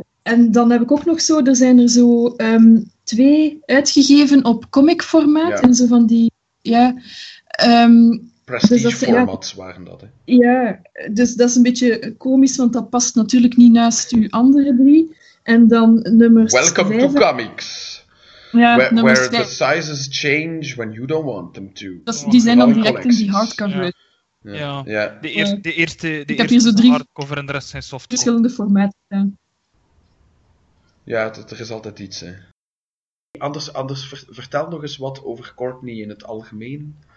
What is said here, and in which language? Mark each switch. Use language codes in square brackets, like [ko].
[nl] En dan heb ik ook nog zo, er zijn er zo 2 uitgegeven op comic formaat, ja. En zo van die, ja. Prestige dus formats waren dat, hè. Ja, dus dat is een beetje komisch, want dat past natuurlijk niet naast uw andere 3. En dan nummers 5. [en] Welcome [nl] 5, [en] to comics. [nl] Ja, [en] where [nl] 5. [en] The sizes change when you don't want them to. [nl] Dus, die zijn dan direct in die hardcover. Ja. Ja. De eerste hardcover en de rest zijn softcover. Verschillende formaten. Ja, er is altijd iets, hè. Anders vertel nog eens wat over Courtney in het algemeen.